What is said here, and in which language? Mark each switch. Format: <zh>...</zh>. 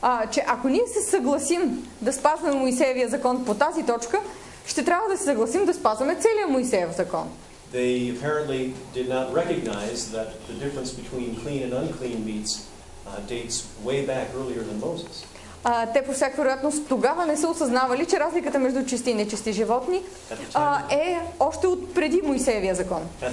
<bg>Че ако ние се съгласим да спазваме Моисеевия закон по тази точка, ще трябва да се съгласим да спазваме целия Моисеев закон.</bg> <en>They apparently did not recognize that the difference between clean and unclean meats dates way back earlier than Moses.</en> <bg>Те по всяка вероятност тогава не са осъзнавали, че разликата между чисти и нечисти животни е още от преди Моисеевия закон.</bg>